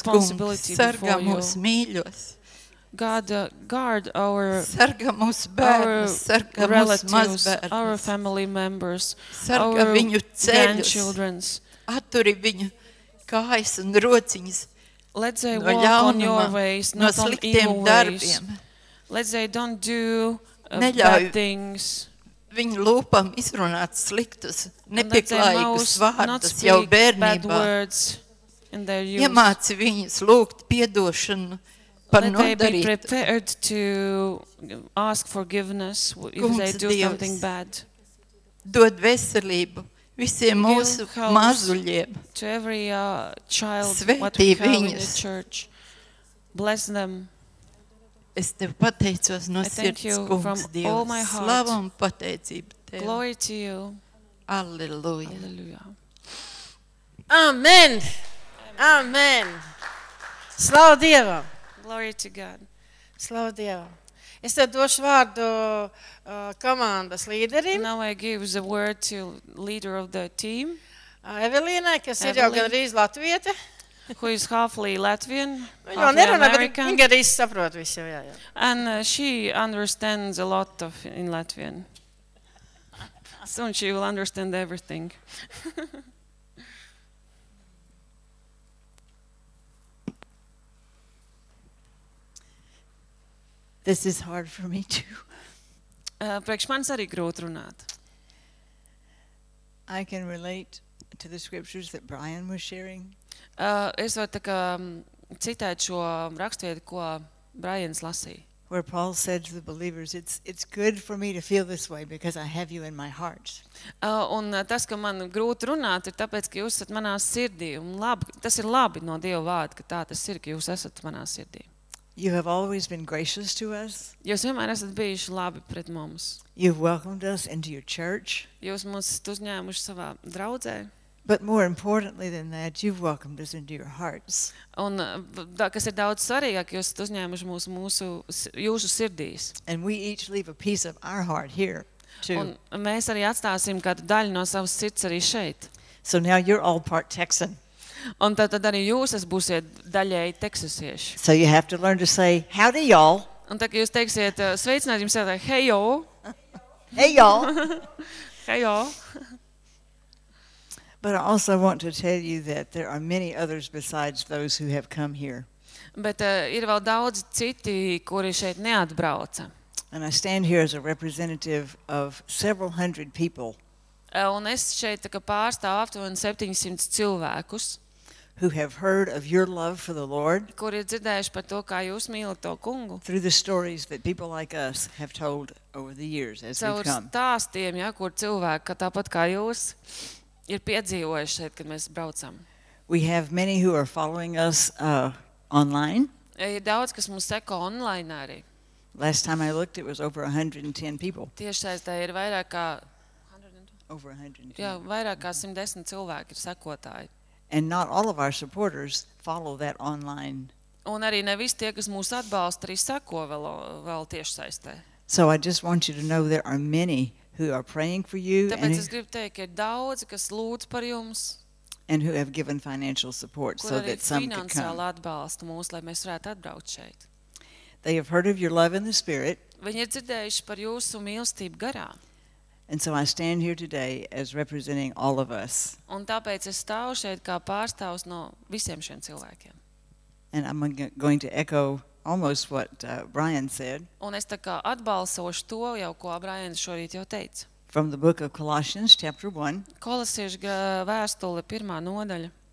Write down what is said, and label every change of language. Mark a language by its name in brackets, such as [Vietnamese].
[Latvian] kungs, sargā mūsu mīļos, sargā mūsu bērnus, sargā mūsu mazbērnus, sargā viņu ceļus, atturi viņu kājas un rociņas no ļaunuma, no sliktiem darbiem. [English] Let's say don't do bad things. [Latvian] Viņu lūpam izrunāt sliktus, nepieklājīgus vārdus jau bērnībā. Iemāci viņus lūgt piedošanu par nodarītu. [English] Let they be prepared to ask forgiveness if they do something bad. [Latvian] Dod veselību visiem mūsu mazuļiem. [English] To every child, what we have in the church. Bless them. [Latvian] Es tev pateicos no sirds, Kungs, Dievs. Slava un pateicība tev. [English] Glory to you. [Latvian] Alleluja. Alleluja. Amen. Amen. Slava Dievam. [English] Glory to God. [Latvian] Slava Dievam. Es tev došu vārdu komandas līderim. [English] Now I give the word to leader of the team. [Latvian] Evelīnai, kas Evelīn, ir jau gandrīz latviete. [English] Who is halfly Latvian, halfly American. [Latvian] Viņa nerunā, bet viņa gandrīz saprot visu. Jā, jā. [English] And she understands a lot of in Latvian. Soon she will understand everything. This is hard for me too. [Latvian] Priekš manis arī grūti runāt. [English] I can relate to the scriptures that Brian was sharing. [Latvian] Es varu tā kā citēt šo rakstvietu, ko Brians lasīja. [English] Where Paul said to the believers, it's good for me to feel this way because I have you in my heart. [Latvian] Un tas, ka man grūti runāt, ir tāpēc, ka jūs esat manā sirdī. Un labi, tas ir labi no Dieva vārda, ka tā tas ir, ka jūs esat manā sirdī. [English] You have always been gracious to us. [Latvian] Jūs vienmēr esat bijuši labi pret mums. [English] You've welcomed us into your church. [Latvian] Jūs mūs uzņēmuši savā draudzē. [English] But more importantly than that, you've welcomed us into your hearts. [Latvian] Un kas ir daudz svarīgāk, jūs esat uzņēmuši mūsu jūsu sirdīs. [English] And we each leave a piece of our heart here too. [Latvian] Un mēs arī atstāsim kādu daļu no savas sirds arī šeit. [English] So now you're all part Texan. [Latvian] Un tad arī jūs es būsiet daļēji teksasieši. [English] So you have to learn to say, howdy y'all. [Latvian] Un tad, kad jūs teiksiet, sveicināt jums jau tā, [English] hey y'all. Hey y'all. Hey y'all. But I also want to tell you that there are many others besides those who have come here. [Latvian] Bet ir vēl daudz citi, kuri šeit neatbrauca. [English] And I stand here as a representative of several hundred people. [Latvian] Un es šeit tā kā pārstāvu aptuveni 700 cilvēkus. [English] Who have heard of your love for the Lord? [Latvian] Kuri ir dzirdējuši par to, kā jūs mīlat to Kungu. [English] Through the stories that people like us have told over the years as we've come. [Latvian] Caur stāstiem, ja, kur cilvēki, ka tāpat kā jūs, ir piedzīvojuši šeit, kad mēs braucam. [English] We have many who are following us online. [Latvian] Ir daudz, kas mums seko online arī. [English] Last time I looked, it was over 110 people. [Latvian] Tiešais, tā ir vairāk kā... [English] Over 110. [Latvian] Jā, vairāk kā 110 cilvēki ir sekotāji. [English] And not all of our supporters follow that online. [Latvian] Un arī ne visi tie, kas mūs atbalsta, arī seko vēl tiešsaistē. [English] So I just want you to know there are many who are praying for you. [Latvian] Tāpēc es gribu teikt, ir daudzi, kas lūdz par jums. [English] And who have given financial support so that some could come. [Latvian] Kur arī finansiāli atbalsta mūs, lai mēs varētu atbraukt šeit. [English] They have heard of your love in the spirit. [Latvian] Viņi ir dzirdējuši par jūsu mīlestību garā. [English] And so I stand here today as representing all of us. [Latvian] Un tāpēc es stāvu šeit kā pārstāvs no visiem šiem cilvēkiem. [English] And I'm going to echo almost what Brian said. [Latvian] Un es tā kā atbalsošu to, jau ko Brian šorīt jau teica. [English] From the book of Colossians chapter 1. [Latvian] Kolosiešu vēstule pirmā nodaļa.